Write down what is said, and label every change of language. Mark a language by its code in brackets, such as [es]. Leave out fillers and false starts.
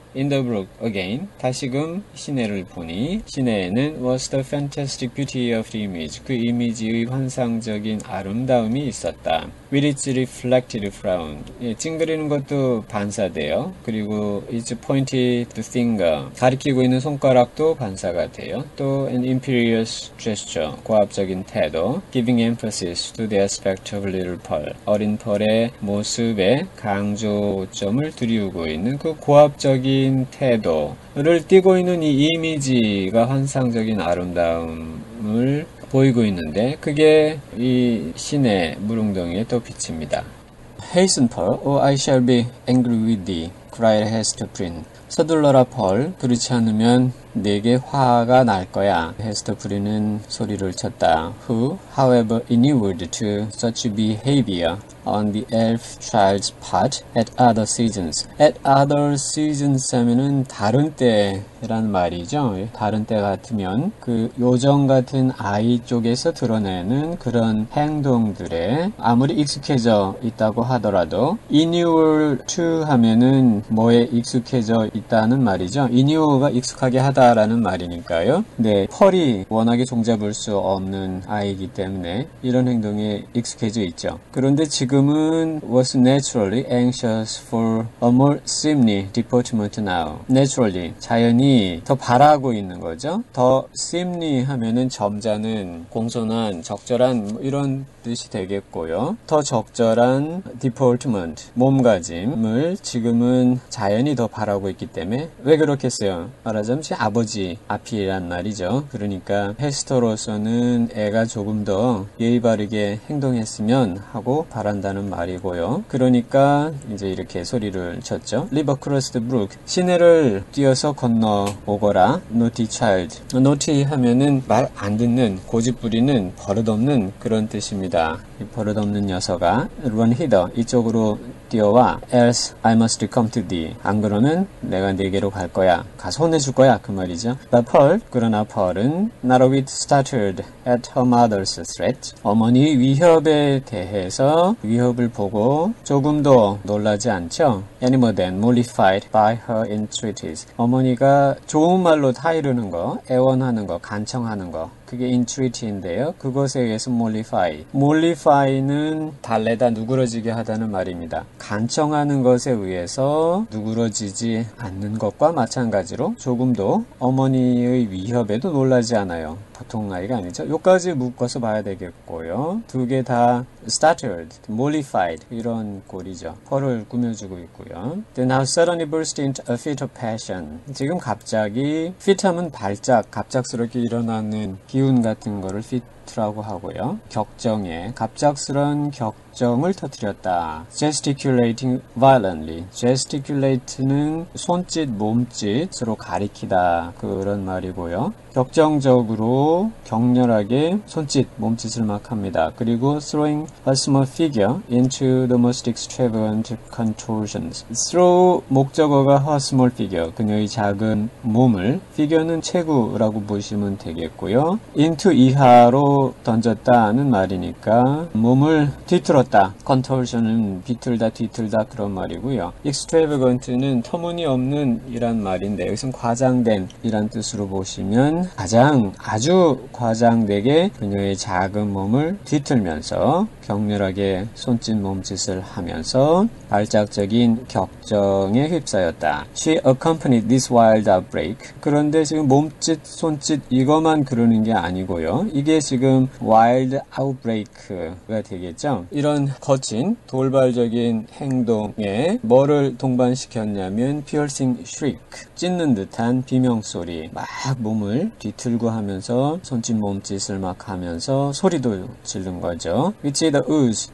[en] In the brook again, [ko] 다시금 시내를 보니 시내에는 [en] was the fantastic beauty of the image, [ko] 그 이미지의 환상적인 아름다움이 있었다. [en] With its reflected frown, [ko] 예, 찡그리는 것도 반사돼요. 그리고 [en] its pointed finger, [ko] 가리키고 있는 손가락도 반사가 돼요. 또 [en] an imperious gesture, [ko] 고압적인 태도, [en] giving emphasis to the aspect of little pearl, [ko] 어린 펄의 모습에 강조점을 두리우고 있는 그 고압적인 태도를 띠고 있는 이 이미지가 환상적인 아름다움을 보이고 있는데 그게 이 시내 무릉덩이에 또 비칩니다. [en] Hasten, Pearl, or I shall be angry with thee, cried Hester Prynne. [ko] 서둘러라, 펄. 그렇지 않으면 내게 화가 날 거야. 헤스터 프린은 소리를 쳤다. [en] Who, however, inured to such behavior on the elf child's part at other seasons. At other seasons [ko] 하면은 다른 때란 말이죠. 다른 때 같으면 그 요정 같은 아이 쪽에서 드러내는 그런 행동들에 아무리 익숙해져 있다고 하더라도 [en] inure to [ko] 하면은 뭐에 익숙해져 있다는 말이죠. inure가 익숙하게 하다 라는 말이니까요. 네, 펄이 워낙에 종잡을 수 없는 아이기 때문에 이런 행동에 익숙해져 있죠. 그런데 지금은 [en] was naturally anxious for a more seemly deportment now. [ko] naturally, 자연히 더 바라고 있는 거죠. 더 seemly 하면은 점잖은, 공손한, 적절한 뭐 이런 뜻이 되겠고요. 더 적절한 deportment, 몸가짐을 지금은 자연히 더 바라고 있기 때문에 왜 그렇겠어요? 말하자면 제 아버지 앞이란 말이죠. 그러니까 헤스터로서는 애가 조금 더 예의 바르게 행동했으면 하고 바란다는 말이고요. 그러니까 이제 이렇게 소리를 쳤죠. [en] Leap across the brook. [ko] 시내를 뛰어서 건너오거라. [en] Naughty child. [ko] Naughty 하면은 말안 듣는, 고집부리는, 버릇없는 그런 뜻입니다. 이 버릇없는 녀석아. [en] Run hither. [ko] 이쪽으로 뛰어와. [en] Else I must come to thee. [ko] 안 그러면 내가 네게로 갈 거야. 가서 혼내줄 거야. 그 말이죠. [en] But Pearl, [ko] 그러나 펄은 [en] not a whit startled at her mother's threat. [ko] 어머니 위협에 대해서 위협을 보고 조금 더 놀라지 않죠? Any more than mollified by her entreaties. 어머니가 좋은 말로 타이르는 거, 애원하는 거, 간청하는 거. 그게 entreaty인데요. 그것에 의해서 mollify. mollify는 달래다 누그러지게 하다는 말입니다. 간청하는 것에 의해서 누그러지지 않는 것과 마찬가지로 조금도 어머니의 위협에도 놀라지 않아요. 보통 아이가 아니죠. 요까지 묶어서 봐야 되겠고요. 두개다 startled, mollified 이런 꼴이죠. 펄을 꾸며주고 있고요. [en] Then now suddenly burst into a fit of passion. [ko] 지금 갑자기 fit 하면 발작, 갑작스럽게 일어나는 기운 같은 거를 fit라고 하고요. 격정에 갑작스런 격정을 터뜨렸다. [en] Gesticulating violently. [ko] Gesticulate는 손짓, 몸짓으로 가리키다 그런 말이고요. 격정적으로 격렬하게 손짓, 몸짓을 막 합니다. [en] 그리고 throwing a small figure into the most extravagant contortions. throw 목적어가 a small figure. [ko] 그녀의 작은 몸을. figure는 체구라고 보시면 되겠고요. into 이하로 던졌다는 말이니까 몸을 뒤틀었다. contortion은 비틀다, 뒤틀다 그런 말이고요. extravagant는 터무니없는 이란 말인데 여기서는 과장된 이란 뜻으로 보시면 가장 아주 과장되게 그녀의 작은 몸을 뒤틀면서 격렬하게 손짓 몸짓을 하면서 발작적인 격정에 휩싸였다. [en] She accompanied this wild outbreak. [ko] 그런데 지금 몸짓 손짓 이것만 그러는 게 아니고요. 이게 지금 wild outbreak가 되겠죠. 이런 거친 돌발적인 행동에 뭐를 동반시켰냐면 [en] piercing shriek. [ko] 찢는 듯한 비명 소리. 막 몸을 뒤틀고 하면서 손짓 몸짓을 막 하면서 소리도 지른 거죠. [en] Which is the ooze?